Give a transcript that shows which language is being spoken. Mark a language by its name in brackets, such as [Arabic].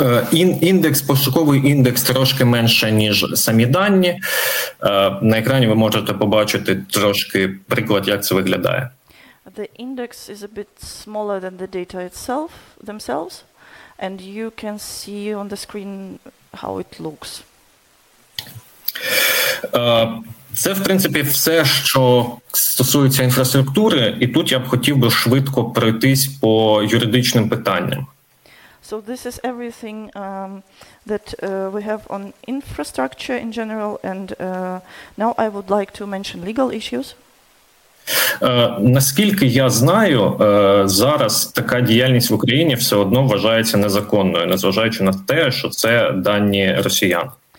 [Ukrainian] Індекс, пошуковий індекс трошки менше, ніж самі дані. На екрані ви можете побачити трошки приклад, як це виглядає. [English] The index is a bit smaller than the data itself, themselves, and you can see on the screen how it looks. [Ukrainian] Це, в принципі, все, що стосується інфраструктури, і тут я б хотів би швидко пройтись по юридичним питанням. [English] So this is everything that we have on infrastructure in general, and now I would like to mention legal issues. [Ukrainian] Наскільки я знаю, зараз така діяльність в Україні все одно вважається незаконною, незважаючи на те, що це дані росіян.